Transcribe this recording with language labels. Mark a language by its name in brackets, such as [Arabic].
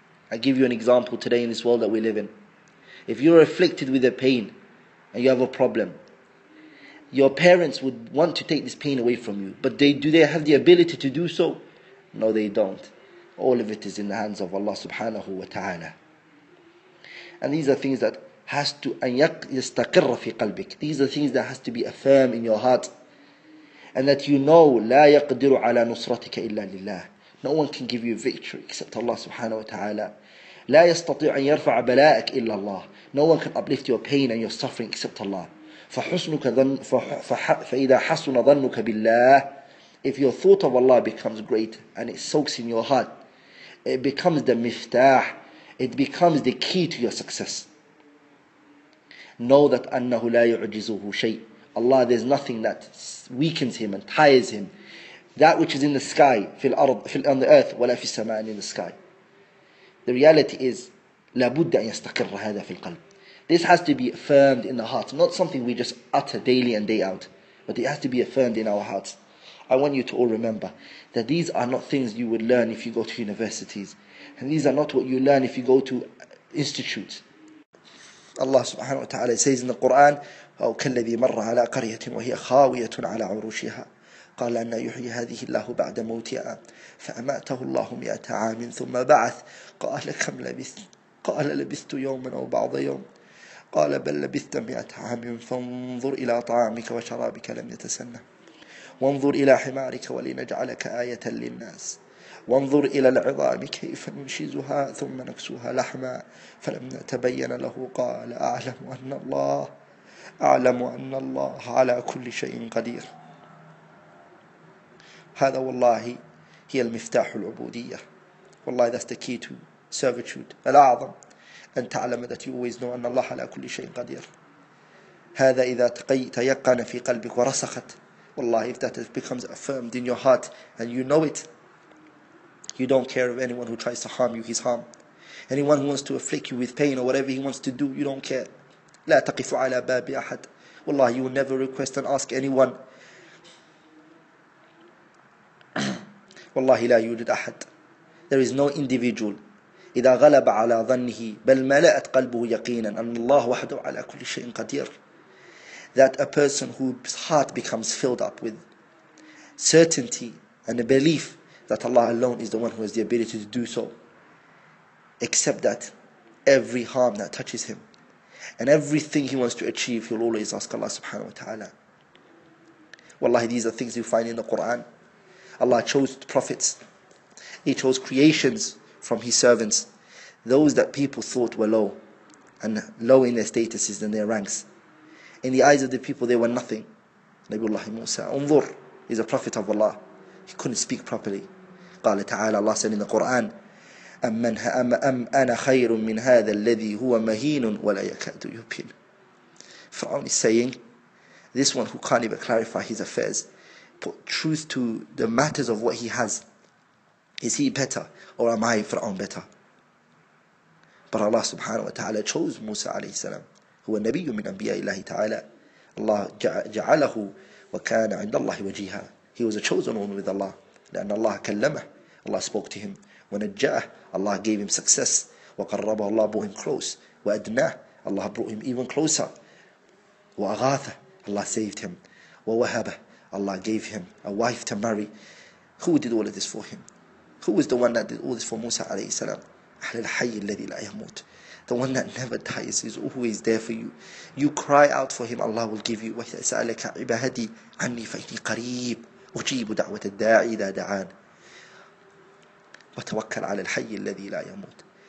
[English] I give you an example today in this world that we live in. If you're afflicted with a pain and you have a problem, your parents would want to take this pain away from you, but do they have the ability to do so? No, they don't. All of it is in the hands of Allah subhanahu wa ta'ala. And these are things that has to [Arabic] أن يستقر في قلبك. [English] These are things that has to be affirmed in your heart. And that you know [Arabic] لا يقدر على نصرتك إلا لله. [English] No one can give you victory except Allah subhanahu wa ta'ala. [Arabic] لا يستطيع أن يرفع بلاءك إلا الله. [English] No one can uplift your pain and your suffering except Allah. [Arabic] فحسنك ظن فح فإذا حسن ظنك بالله, [English] if your thought of Allah becomes great and it soaks in your heart, it becomes the miftah, it becomes the key to your success. Know that [Arabic] أنه لا يعجزه شيء. [English] Allah, there's nothing that weakens him and tires him. That which is in the sky, [Arabic] في الأرض, [English] on the earth, [Arabic] ولا في السماء, [English] in the sky. The reality is, [Arabic] لابد أن يستقر هذا في القلب. [English] This has to be affirmed in the heart, not something we just utter daily and day out, but it has to be affirmed in our hearts. I want you to all remember that these are not things you would learn if you go to universities, and these are not what you learn if you go to institutes. [Arabic] Allah subhanahu wa ta'ala says in the Quran, أو كالذي مر على قرية وهي خاوية على عروشها قال أن يحيي هذه الله بعد موتها فأماته الله 100 عام ثم بعث قال كم لبثت؟ قال لبثت يوما أو بعض يوم قال بل لبثت 100 عام فانظر إلى طعامك وشرابك لم يتسنى وانظر إلى حمارك ولنجعلك آية للناس وانظر إلى العظام كيف ننشزها ثم نكسوها لحما فلما تبين له قال أعلم أن الله أعلم أن الله على كل شيء قدير. هذا والله هي المفتاح العبودية. والله [English] that's the key to servitude. [Arabic] الأعظم أن تعلم [English] that you always know [Arabic] أن الله على كل شيء قدير. هذا إذا تيقن في قلبك ورسخت. والله [English] if that becomes affirmed in your heart and you know it, you don't care of anyone who tries to harm you, he's harmed. Anyone who wants to afflict you with pain or whatever he wants to do, you don't care. [Arabic] لا تقف على باب أحد. والله [English] you will never request and ask anyone. [Arabic] والله لا يوجد أحد. [English] There is no individual. [Arabic] إذا غلب على ظنه بل ملأت قلبه يقينا أن الله وحده على كل شيء قدير. [English] That a person whose heart becomes filled up with certainty and a belief that Allah alone is the one who has the ability to do so. Except that every harm that touches him and everything he wants to achieve, he'll always ask Allah subhanahu wa ta'ala. Wallahi, these are things you find in the Quran. Allah chose prophets. He chose creations from his servants. Those that people thought were low, and low in their statuses and their ranks. In the eyes of the people, they were nothing. Nabiullah Musa, Unzur, is a prophet of Allah. He couldn't speak properly. [Arabic] قال تعالى, [English] Allah said in the Quran, [Arabic] أم أنا خير من هذا الذي هو مهين ولا يكاد يبين. [English] Pharaoh is saying, this one who can't even clarify his affairs, put truth to the matters of what he has. Is he better or am I, Pharaoh, better? But Allah subhanahu wa ta'ala chose Musa alayhi salam, [Arabic] هو النبي من أنبياء الله تعالى. Allah جعله وكان عند الله وجيها. [English] He was a chosen one with Allah. [Arabic] لأن الله كلمه. [English] Allah spoke to him. [Arabic] ونجاه, [English] Allah gave him success. [Arabic] وقربه, [English] Allah brought him close. [Arabic] وأدناه, [English] Allah brought him even closer. [Arabic] وأغاثه, [English] Allah saved him. [Arabic] ووهبه, [English] Allah gave him a wife to marry. Who did all of this for him? Who was the one that did all this for Musa عليه السلام? [Arabic] أهل الحي الذي لا يموت. [English] The one that never dies is always there for you. You cry out for him, Allah will give you. [Arabic] وسألك عبادي عني فإني قريب. أجيب دعوة الداعي إذا دعان. وتوكل على الحي الذي لا يموت.